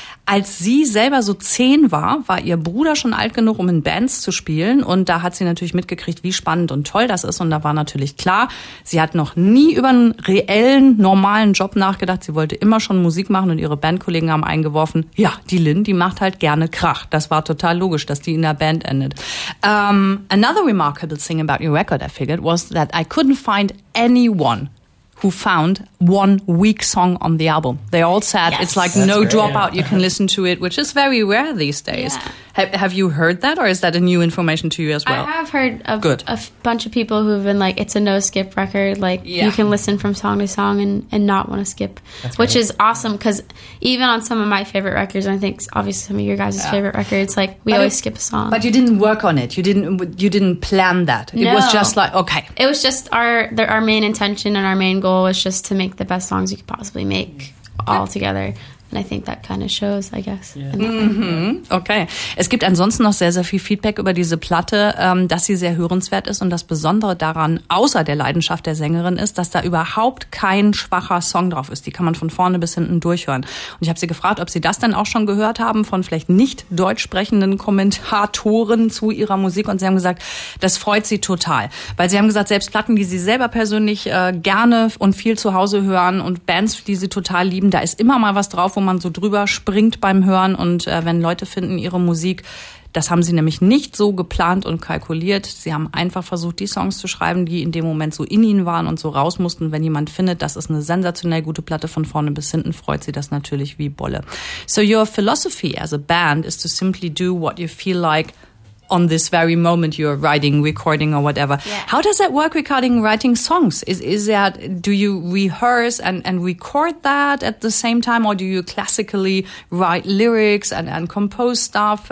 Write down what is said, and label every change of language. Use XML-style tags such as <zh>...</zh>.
<de>Als sie selber so 10 war, war ihr Bruder schon alt genug, um in Bands zu spielen. Und da hat sie natürlich mitgekriegt, wie spannend und toll das ist. Und da war natürlich klar, sie hat noch nie über einen reellen, normalen Job nachgedacht. Sie wollte immer schon Musik machen und ihre Bandkollegen haben eingeworfen, ja, die Lynn, die macht halt gerne Krach. Das war total logisch, dass die in der Band endet.</de> <en>Another remarkable thing about your record, I figured, was that I couldn't find anyone who found one weak song on the album. They all said, yes, it's like that's no great, dropout, yeah. You can listen to it, which is very rare these days. Yeah. Have you heard that, or is that a new information to you as well? I have heard of a bunch of people who've been like, it's a no-skip record, like you can listen from song to song and not want to skip, that's which great. Is awesome, because even on some of my favorite records, and I think obviously some of your guys' favorite records, like we always skip a song. But you didn't work on it. You didn't plan that. No. It was just like, okay. It was just our main intention and our main goal was just to make the best songs you could possibly make all together. And I think that kind of shows, I guess. Yeah. Mm-hmm. Okay.</en> <de>Es gibt ansonsten noch sehr, sehr viel Feedback über diese Platte, dass sie sehr hörenswert ist. Und das Besondere daran, außer der Leidenschaft der Sängerin, ist, dass da überhaupt kein schwacher Song drauf ist. Die kann man von vorne bis hinten durchhören. Und ich habe sie gefragt, ob sie das dann auch schon gehört haben von vielleicht nicht deutsch sprechenden Kommentatoren zu ihrer Musik. Und sie haben gesagt, das freut sie total. Weil sie haben gesagt, selbst Platten, die sie selber persönlich gerne und viel zu Hause hören und Bands, die sie total lieben, da ist immer mal was drauf, wo man so drüber springt beim Hören und wenn Leute finden ihre Musik, das haben sie nämlich nicht so geplant und kalkuliert. Sie haben einfach versucht, die Songs zu schreiben, die in dem Moment so in ihnen waren und so raus mussten. Wenn jemand findet, das ist eine sensationell gute Platte von vorne bis hinten, freut sie das natürlich wie Bolle.</de> <en>So your philosophy as a band is to simply do what you feel like on this very moment you're writing, recording or whatever. Yeah. How does that work regarding writing songs? Do you rehearse and record that at the same time, or do you classically write lyrics and compose stuff?</en>